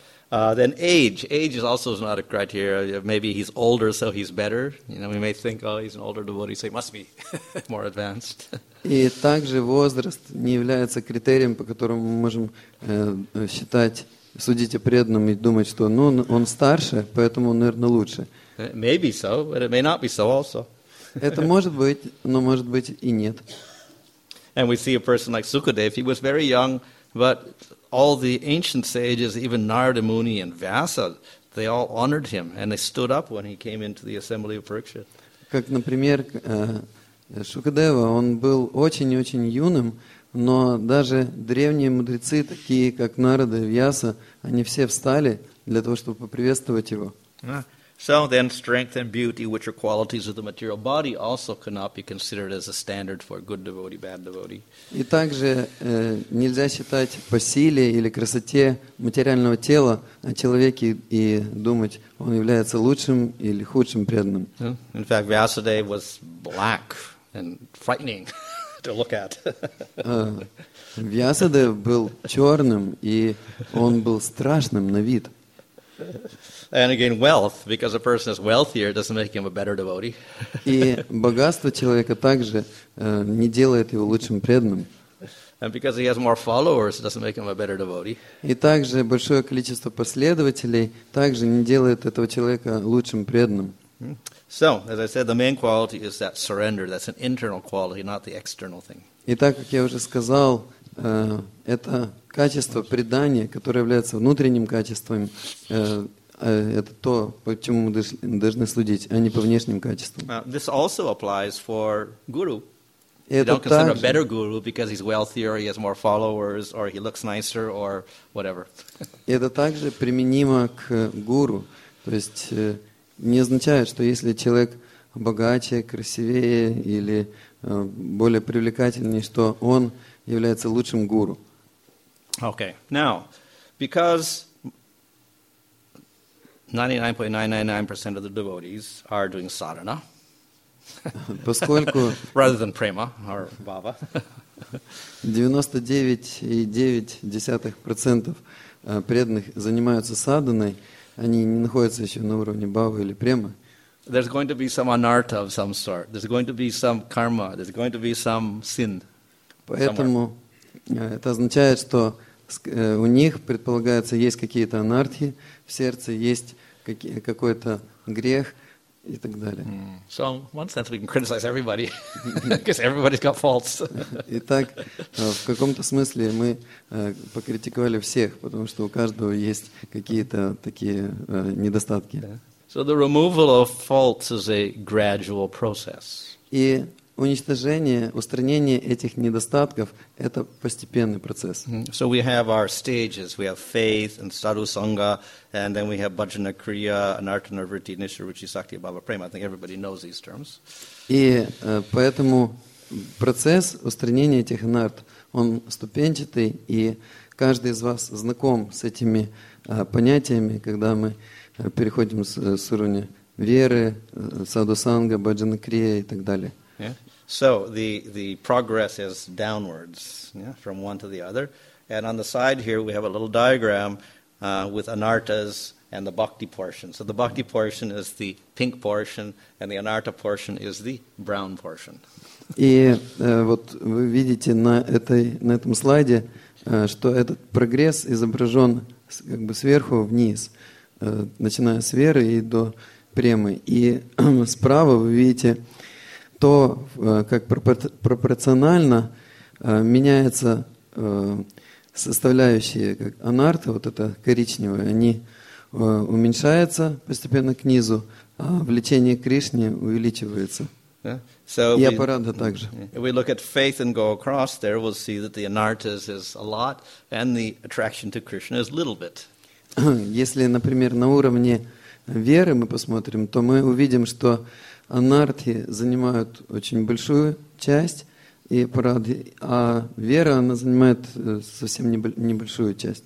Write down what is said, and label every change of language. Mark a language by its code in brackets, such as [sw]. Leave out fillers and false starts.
[en] Then age. Age is also not a criteria. Maybe he's older, so he's better. You know, we may think, oh, he's an older devotee, so he must be more advanced. [ru] И также возраст не является критерием, по которому мы можем считать, судить о преданном и думать, что ну, он старше, поэтому он, наверное, лучше. [en] Maybe so, but it may not be so also. [ru] Это может быть, но может быть и нет. [en] And we see a person like Sukadev. He was very young, but all the ancient sages, even Narada Muni and Vyasa, they all honored him and they stood up when he came into the assembly of Parikshit. [ru] Как, например, Шукадева, он был очень-очень юным, но даже древние мудрецы, такие как Нарада и Вьяса, они все встали для того, чтобы поприветствовать его. [en] So then strength and beauty, which are qualities of the material body, also cannot be considered as a standard for good devotee, bad devotee. [ru] И также нельзя считать по силе или красоте материального тела о человеке и думать, он является лучшим или худшим преданным. [en] In fact, Vyasadeva was black and frightening to look at. [ru] Vyasadeva был черным, и он был страшным на вид. [en] And again, wealth, because a person is wealthier, doesn't make him a better devotee. [ru] И богатство человека также не делает его лучшим преданным. [en] And because he has more followers, it doesn't make him a better devotee. [ru] И также большое количество последователей также не делает этого человека лучшим преданным. [en] So, as I said, the main quality is that surrender. That's an internal quality, not the external thing. [ru] И так как я уже сказал, это качество предания, которое является внутренним качеством, это то, по чему мы должны следить, а не по внешним качествам. [en] This also applies for guru. You don't consider a better guru because he's wealthier, he has more followers, or he looks nicer, or whatever. [ru] Это также применимо к гуру. То есть не означает, что если человек богаче, красивее или более привлекательнее, что он является лучшим гуру. [en] Okay. Now, because 99.999% of the devotees are doing sadhana, [ru] поскольку [en] rather than prema or bhava, [ru] 99.9% преданных занимаются садханой, они не находятся еще на уровне бхавы или према. [en] There's going to be some anartha of some sort. There's going to be some karma. There's going to be some sin. [ru] Поэтому это означает, что у них предполагается есть какие-то анартхи в сердце, есть какой-то грех и так далее. [en] So in one sense we can criticize everybody because everybody's got faults. [ru] Итак, в каком-то смысле мы покритиковали всех, потому что у каждого есть какие-то такие недостатки. [en] So the removal of faults is a gradual process. [ru] И уничтожение, устранение этих недостатков – это постепенный процесс. [en] So we have our stages. We have faith and sadhu sangha, and then we have bhajana kriya, anartha nirvritti, nishtha ruchi, sakti, bhava prema. I think everybody knows these terms. [ru] И поэтому процесс устранения этих анартх, он ступенчатый, и каждый из вас знаком с этими понятиями, когда мы переходим с уровня веры, садху санга, бхаджана крия и так далее. [en] Yeah. So the progress is downwards, yeah, from one to the other. And on the side here we have a little diagram with anartas and the bhakti portion. So the bhakti portion is the pink portion and the anartha portion is the brown portion. [ru] И вот вы видите на этом слайде, что этот прогресс изображен как бы сверху вниз, начиная с веры и до премы. И справа вы видите то, как пропорционально меняются составляющие, как анартха, вот это коричневое, они уменьшаются постепенно к низу, а влечение к Кришне увеличивается. [en] Yeah. So [ru] и аппарата также. [en] If we look at faith and go across there, we'll see that the anartha is a lot and the attraction to Krishna is a little bit. [ru] Если, например, на уровне веры мы посмотрим, то мы увидим, что анартхи занимают очень большую часть и парады, а вера, она занимает совсем небольшую часть.